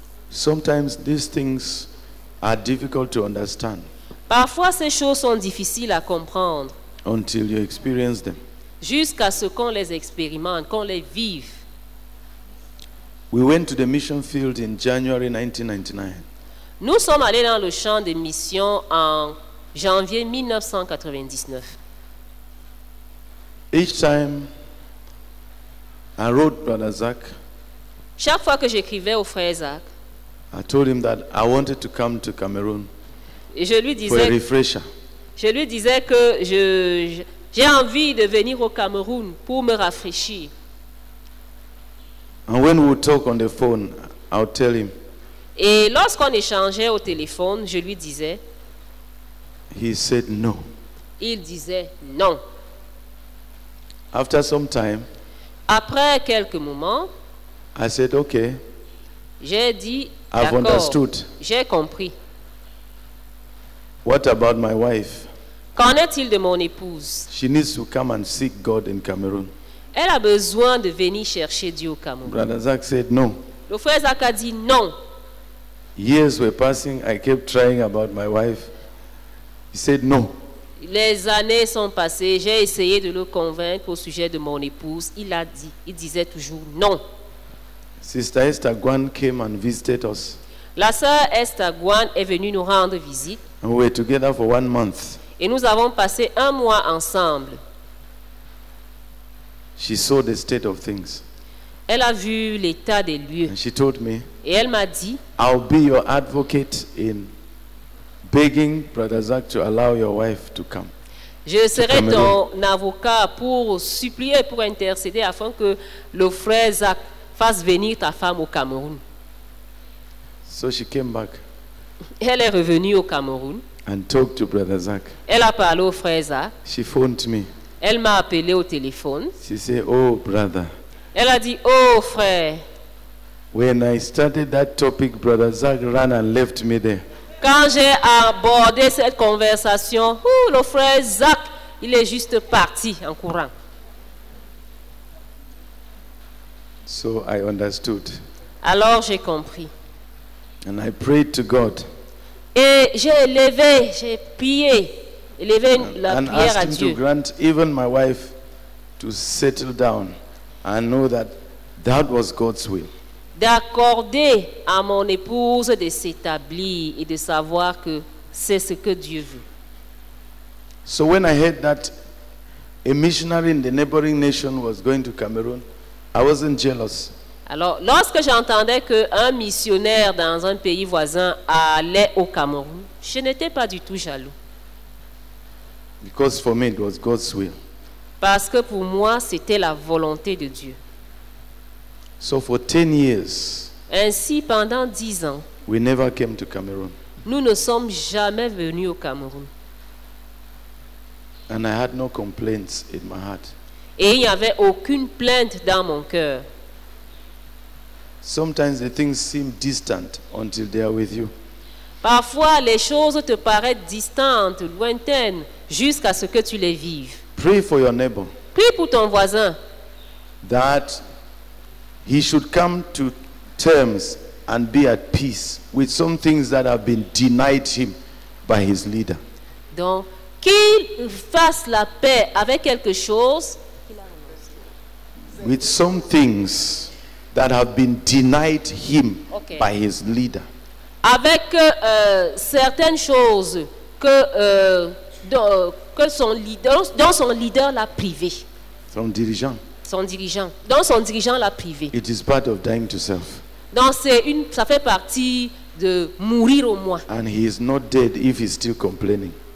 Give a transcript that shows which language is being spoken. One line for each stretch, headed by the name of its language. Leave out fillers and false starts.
English: Sometimes these things are difficult to understand.
French: Parfois ces choses sont difficiles à comprendre.
English: Until you experience them.
French: Jusqu'à ce qu'on les expérimente, qu'on les vive.
English: We went to the mission field in January 1999.
French: Nous sommes allés dans le champ de mission en janvier 1999.
English: Each time I wrote Brother Zach.
French: Chaque fois que j'écrivais au frère Zach,
English: I told him that I wanted to come to Cameroon.
French: Je lui disais,
English: for a refresher.
French: Je lui disais que j'ai envie de venir au Cameroun pour me rafraîchir.
English: And when we talk on the phone, I'll tell him.
French: Et lorsqu'on échangeait au téléphone, je lui disais.
English: He said no.
French: Il disait non.
English: After some time.
French: Après quelques moments.
English: I said okay.
French: J'ai dit.
English: I've understood.
French: J'ai compris.
English: What about my wife?
French: Qu'en est-il de mon épouse?
English: She needs to come and seek God in Cameroon.
French: Elle a besoin de venir chercher Dieu au Cameroun.
English: Brother Zach said no.
French: Le frère Zach a dit non.
English: Years were passing. I kept trying about my wife. He said no.
French: Les années sont passées. J'ai essayé de le convaincre au sujet de mon épouse. Il a dit, il disait toujours non.
English: Sister Esther Gwan came and visited us.
French: La sœur Esther Gwan est venue nous rendre visite.
English: And we were together for 1 month.
French: Et nous avons passé un mois ensemble.
English: She saw the state of things.
French: Elle a vu l'état des lieux.
English: And she told me,
French: et elle m'a dit,
English: I'll be your advocate in begging Brother Zach to allow your wife to come.
French: Je serai ton avocat pour supplier, pour intercéder afin que le frère Zach fasse venir ta femme au Cameroun.
English: So she came back.
French: Elle est revenue au Cameroun.
English: And talked to Brother Zach.
French: Elle a parlé au frère Zach.
English: She phoned me.
French: Elle m'a appelé au téléphone.
English: She said, "Oh, brother."
French: Elle a dit, oh frère.
English: When I started that topic, Brother Zach ran and left me there.
French: Quand j'ai abordé cette conversation, le frère Zach, il est juste parti en courant.
English: So I understood.
French: Alors j'ai compris.
English: And I prayed to God.
French: Et j'ai prié la
English: and
French: prière à
English: him
French: Dieu.
English: To grant even my wife to settle down. I know that that was God's will.
French: D'accorder à mon épouse de s'établir et de savoir que c'est ce que Dieu veut.
English: So when I heard that a missionary in the neighboring nation was going to Cameroon, I wasn't jealous.
French: Alors, lorsque j'entendais qu'un missionnaire dans un pays voisin allait au Cameroun, je n'étais pas du tout jaloux.
English: Because for me, it was God's will.
French: Parce que pour moi, c'était la volonté de Dieu.
English: So for 10 years,
French: ainsi, pendant 10 ans,
English: we never came to Cameroon.
French: Nous ne sommes jamais venus au Cameroun.
English: And I had no complaints in my heart.
French: Et il n'y avait aucune plainte dans mon cœur.
English: Sometimes the things seem distant until they are with you.
French: Parfois, les choses te paraissent distantes, lointaines, jusqu'à ce que tu les vives.
English: Pray for your neighbor.
French: Prie pour ton voisin.
English: That he should come to terms and be at peace with some things that have been denied him by his leader.
French: Donc, qu'il fasse la paix avec quelque chose.
English: With some things that have been denied him okay. by his leader.
French: Avec certaines choses que que son leader dont son leader l'a privé. Son dirigeant. Son dirigeant. Dont son dirigeant l'a privé. It is part of dying to self. Donc c'est une ça fait partie de mourir au moi.
English: And he is not dead if he's still complaining.